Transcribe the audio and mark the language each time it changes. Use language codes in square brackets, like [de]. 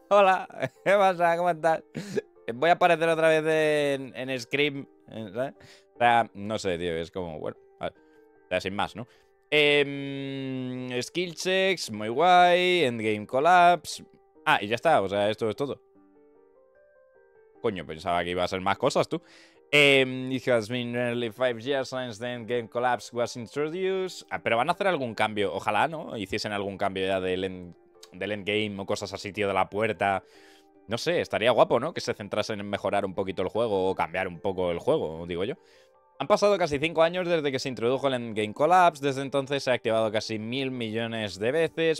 [es] Hola, ¿qué pasa? ¿Cómo estás? Voy a aparecer otra vez en Scream, ¿sabes? O sea, no sé, tío, es como, bueno, vale, sin más, ¿no? [en] Skill checks, [es] muy guay, [en] endgame collapse, [es] Ah, y ya está, o sea, esto es todo. Coño, pensaba que iba a ser más cosas, tú. [en] It has been nearly 5 years since the Endgame Collapse was introduced. [es] Ah, pero van a hacer algún cambio, ojalá, ¿no? Hiciesen algún cambio ya del Endgame o cosas así, tío, de la puerta. No sé, estaría guapo, ¿no? Que se centrasen en mejorar un poquito el juego o cambiar un poco el juego, digo yo. Han pasado casi 5 años desde que se introdujo el Endgame Collapse. Desde entonces se ha activado casi 1.000 millones de veces.